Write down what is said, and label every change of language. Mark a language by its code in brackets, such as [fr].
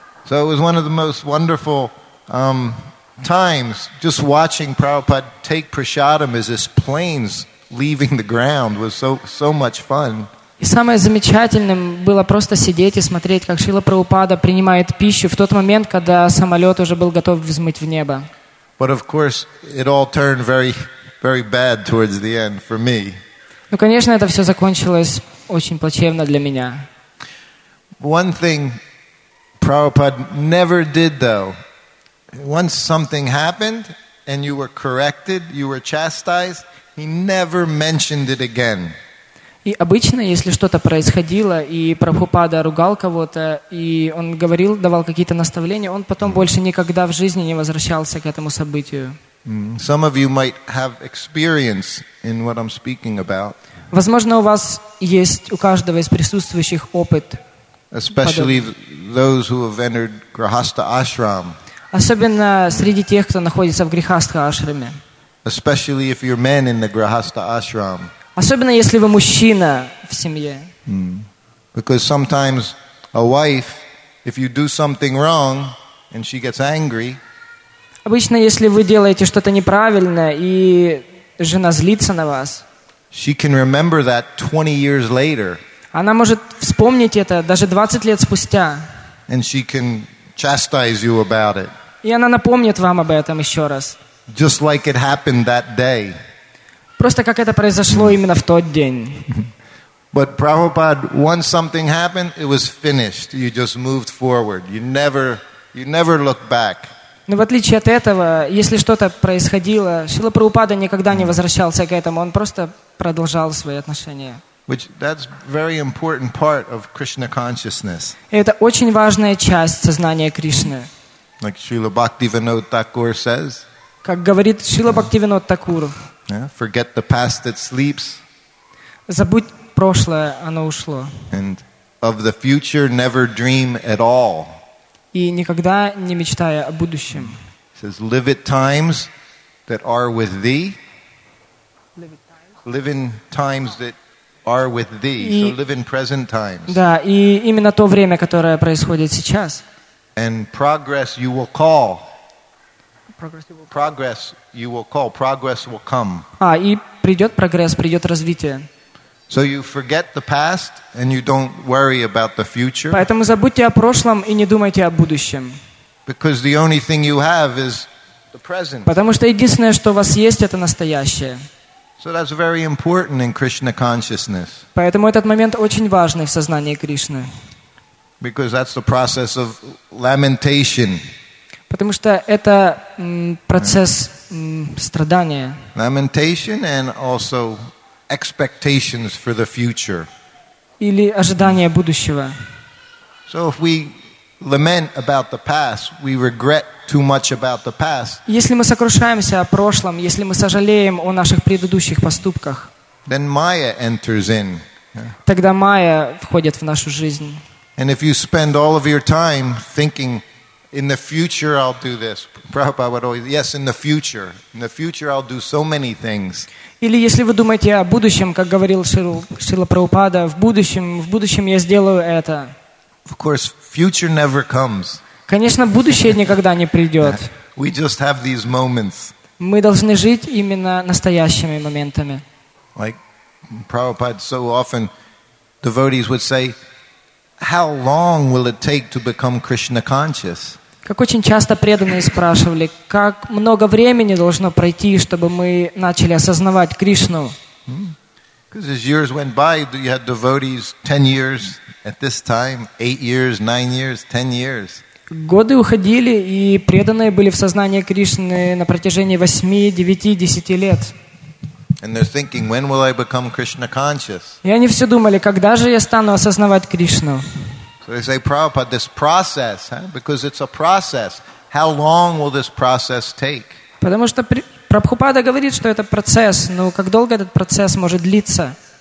[en] So it was one of the most wonderful times just watching Prabhupada take prasadam as his planes leaving the ground was so much fun. [ru] И самое замечательное было просто сидеть и смотреть, как Шрила Прабхупада принимает пищу в тот момент, когда самолет уже был готов взмыть в небо. [en] But of course, it all turned very, very bad towards the end for me. [ru] Ну, конечно, это все закончилось очень плачевно для меня. [en] One thing Prabhupada never did, though, once something happened and you were corrected, you were chastised, he never mentioned it again. [ru] И обычно, если что-то происходило, и Прабхупада ругал кого-то, и он говорил, давал какие-то наставления, он потом больше никогда в жизни не возвращался к этому событию. [en] Some of you might have experience in what I'm speaking about. [ru] Возможно, у вас есть у каждого из присутствующих опыт. [en] Especially those who have entered grihastha ashram. [ru] Особенно среди тех, кто находится в грихастха ашраме. [en] Especially if you're men in the grihastha ashram. [ru] Особенно если вы мужчина в семье. [en] Because sometimes a wife, if you do something wrong and she gets angry. [ru] Обычно если вы делаете что-то неправильно и жена злится на вас. [en] She can remember that 20 years later. [ru] Она может вспомнить это даже 20 лет спустя. [en] And she can chastise you about it. [ru] И она напомнит вам об этом еще раз. [en] Just like it happened that day. [ru] Просто как это произошло именно в тот день. [en] But Prabhupada, once something happened, it was finished. You just moved forward. You never looked back. [ru] Но в отличие от этого, если что-то происходило, Шрила Прабхупада никогда не возвращался к этому. Он просто продолжал свои отношения. [en] Which that's very important part of Krishna consciousness. [ru] Это очень важная часть сознания Кришны. [en] Like Srila Bhaktivinoda Thakur says. [ru] Как говорит Шрила Бхактивинода Такур. [en] Yeah, forget the past that sleeps. [ru] Забудь прошлое, оно ушло. [en] And of the future, never dream at all. [ru] И никогда не мечтая о будущем. [en] He says, live at times that are with thee. Live in times that are with thee. So live in present times. [ru] Да, и именно то время, которое происходит сейчас. [en] And progress you will call. Progress you will call. Progress will come. [ru] А, и придет прогресс, придет развитие. [en] So you forget the past and you don't worry about the future. [ru] Поэтому забудьте о прошлом и не думайте о будущем. [en] Because the only thing you have is the present. [ru] Потому что единственное, что у вас есть, это настоящее. [en] So that's very important in Krishna consciousness. [ru] Поэтому этот момент очень важный в сознании Кришны. [en] Because that's the process of lamentation. [ru] Потому что это процесс страдания. [en] Lamentation and also expectations for the future. [ru] Или ожидания будущего. [en] So if we lament about the past, we regret too much about the past. [ru] Если мы сокрушаемся о прошлом, если мы сожалеем о наших предыдущих поступках, [en] then Maya enters in. [ru] Тогда Майя входит в нашу жизнь. [en] And if you spend all of your time thinking, in the future I'll do this, Prabhupada would always, yes, in the future I'll do so many things. [ru] Или если вы думаете о будущем, как говорил Шрила Прабхупада, в будущем я сделаю это. [en] Of course, future never comes. [ru] Конечно, будущее никогда не придет. [en] We just have these moments. [ru] Мы должны жить именно настоящими моментами. [en] Like Prabhupada, so often devotees would say, how long will it take to become Krishna conscious? [ru] Как очень часто преданные спрашивали, как много времени должно пройти, чтобы мы начали осознавать Кришну? [en] Because as years went by, you had devotees 10 years at this time, 8 years, 9 years, 10 years. [ru] Годы уходили, и преданные были в сознании Кришны на протяжении 8, 9, 10 лет. [en] And they're thinking, when will I become Krishna conscious? [ru] И они все думали, когда же я стану осознавать Кришну? [en] So they say, Prabhupada, this process, huh? Because it's a process. How long will this process take? [ru] Потому что Прабхупада говорит, что это процесс, но как долго этот процесс может длиться?